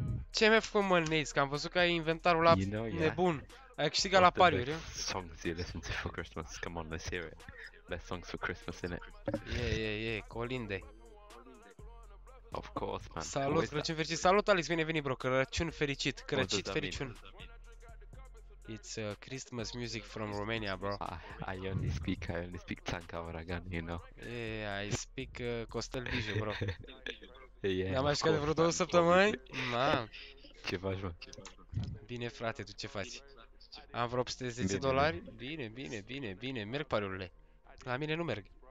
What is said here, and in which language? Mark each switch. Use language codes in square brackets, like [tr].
[ro] Ce mi-a făcut mă, Nates, că am văzut că ai inventarul ăla nebun. Ai câștigat la pariuri, eu? [en] Songs you listen to for Christmas, come on, let's hear it. Best songs for Christmas, innit? Yeah, Colinde. Of course, man. [ro] Salut, Crăciun fericit. Salut, Alex, bine, bro. Crăciun fericit. Crăcit fericit. [en] It's Christmas music from Romania, bro. I only speak Tanca Aragon, you know. Yeah, I speak Costel Biju, bro. Yeah, [ro] n-am mai știut de vreo două săptămâni? Na. Ce faci, bro? Bine, frate, tu ce faci? Am vreo 810 dolari? Bine, merg pariurile. La mine nu merg.